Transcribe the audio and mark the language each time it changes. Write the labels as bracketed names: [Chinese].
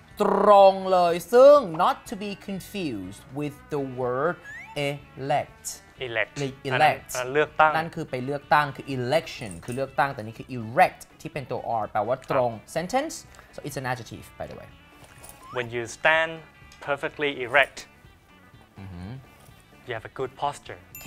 [Thai] ตรงเลยซึ่ง [English] not to be confused with the word elect. [Thai] Elect. เลือกตั้ง นั่นคือไปเลือกตั้งคือ election คือเลือกตั้งแต่นี่คือ erect ที่เป็นตัว r แปลว่าตรง sentence. [English] So it's an adjective by the way. When you stand perfectly erect, you have a good posture.